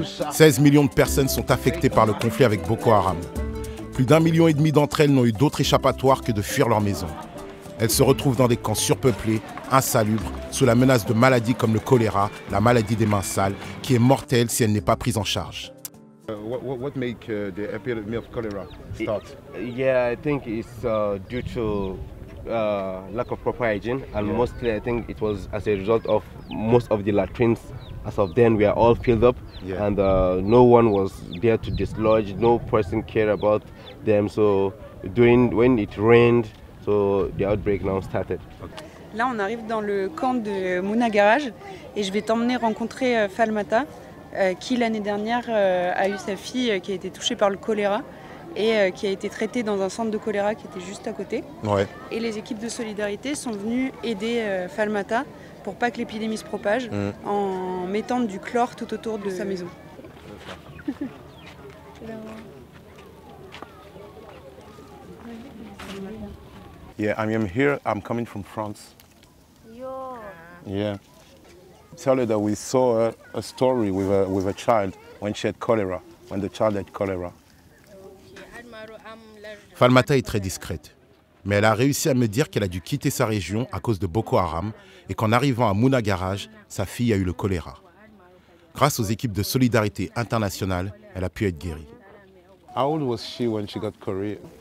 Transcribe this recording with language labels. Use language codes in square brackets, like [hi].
[fr] 16 millions de personnes sont affectées par le conflit avec Boko Haram. Plus d'un million et demi d'entre elles n'ont eu d'autre échappatoire que de fuir leur maison. Elles se retrouvent dans des camps surpeuplés, insalubres, sous la menace de maladies comme le choléra, la maladie des mains sales, qui est mortelle si elle n'est pas prise en charge. [en] What make the epidemic of cholera start? Yeah, I think it's due to lack of proper hygiene, and mostly I think it was as a result of most of the latrines. As of then, we are all filled up, and no one was there to dislodge. No person cared about them. So, when it rained. So the outbreak now started. [fr] Là, on arrive dans le camp de Muna Garage et je vais t'emmener rencontrer Falmata, qui l'année dernière a eu sa fille qui a été touchée par le choléra et qui a été traitée dans un centre de choléra qui était juste à côté. Ouais. Et les équipes de solidarité sont venues aider Falmata pour pas que l'épidémie se propage en mettant du chlore tout autour de sa maison. [en] Yeah, I'm here. I'm coming from France. Yo. Yeah. Tell her that we saw a story with a child when she had cholera, when the child had cholera. [fr] Falmata est très discrète, mais elle a réussi à me dire qu'elle a dû quitter sa région à cause de Boko Haram et qu'en arrivant à Muna Garage, sa fille a eu le choléra. Grâce aux équipes de solidarité internationale, elle a pu être guérie. [en] How old was she when she got cholera?